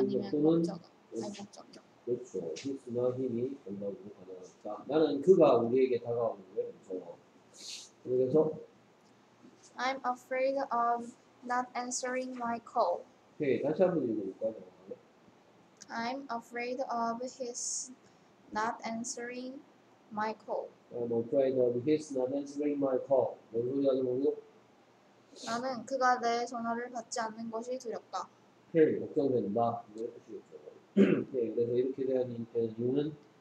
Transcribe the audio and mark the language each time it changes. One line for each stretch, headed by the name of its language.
Korean: 아니면 목적은? 목적격. 히스나 힘이 된다고 가능합니다. 나는 그가 우리에게 다가오는 게 무서워. 그래서
English: I'm afraid of not answering my call.
Korean: 네, 다시 한번 읽어볼까요?
English: I'm afraid of his not answering my call. I'm afraid of his not answering my call.
Korean: 뭔 소리 하지 말고? 나는 그가 내 전화를 받지 않는 것이 두렵다. 네, 걱정된다. 네, 그래서 이렇게 된 이유는?